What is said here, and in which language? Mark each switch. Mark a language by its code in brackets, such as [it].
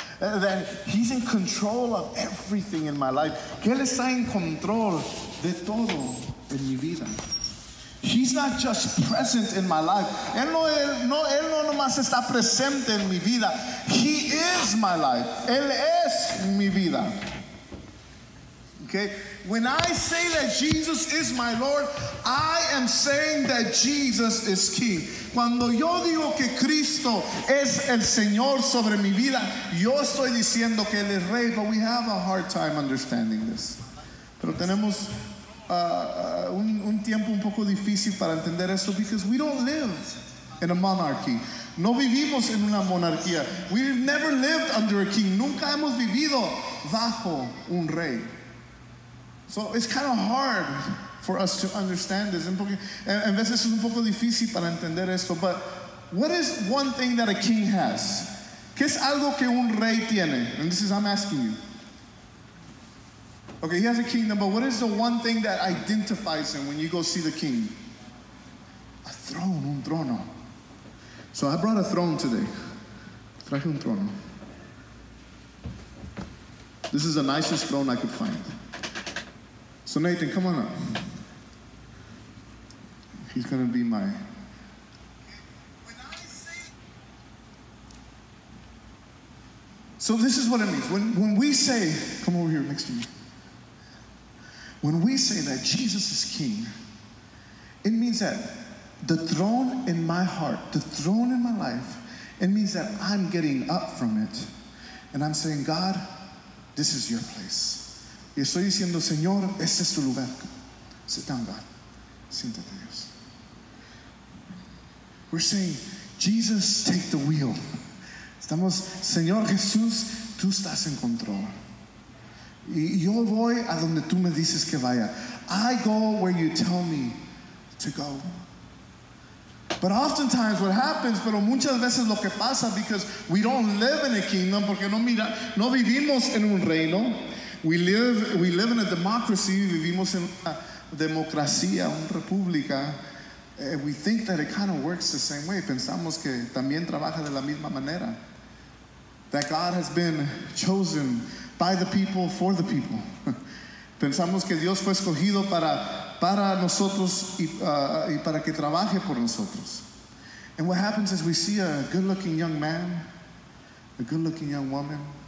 [en] That he's in control of everything in my life. [es] Que él está en control de todo en mi vida. [en] He's not just present in my life. [es] Él no nomás está presente en mi vida. [en] He is my life. [es] Él es mi vida. [en] Okay? When I say that Jesus is my Lord, I am saying that Jesus is King. [es] Cuando yo digo que Cristo es el Señor sobre mi vida, yo estoy diciendo que Él es Rey. [en] But we have a hard time understanding this. [es] Pero tenemos un tiempo un poco difícil para entender esto, [en] because we don't live in a monarchy. [es] No vivimos en una monarquía. [en] We've never lived under a king. [es] Nunca hemos vivido bajo un rey. [en] So it's kind of hard for us to understand this. [es] En veces es un poco difícil para entender esto. [en] But what is one thing that a king has? [es] ¿Qué es algo que un rey tiene? [en] And this is, I'm asking you. Okay, he has a kingdom, but what is the one thing that identifies him when you go see the king? A throne, un trono. So I brought a throne today. [es] Traje un trono. [en] This is the nicest throne I could find. So Nathan, come on up. He's going to be my... So this is what it means. When we say... Come over here next to me. When we say that Jesus is King, it means that the throne in my heart, the throne in my life, it means that I'm getting up from it. And I'm saying, God, this is your place. [es] Y estoy diciendo, Señor, este es tu lugar. [en] Sit down, God. [es] Siéntate, Dios. [en] We're saying, Jesus, take the wheel. [es] Estamos, Señor Jesús, tú estás en control. Yo voy a donde tú me dices que vaya. [en] I go where you tell me to go. But oftentimes what happens, [es] pero muchas veces lo que pasa, [en] because we don't live in a kingdom, [es] porque no vivimos en un reino. [en] We live in a democracy, [es] vivimos en una democracia, una república. [en] We think that it kind of works the same way. [es] Pensamos que también trabaja de la misma manera. [en] That God has been chosen by the people for the people. [es] Pensamos que Dios fue escogido para nosotros y para que trabaje por nosotros. [en] And what happens is we see a good-looking young man, a good-looking young woman.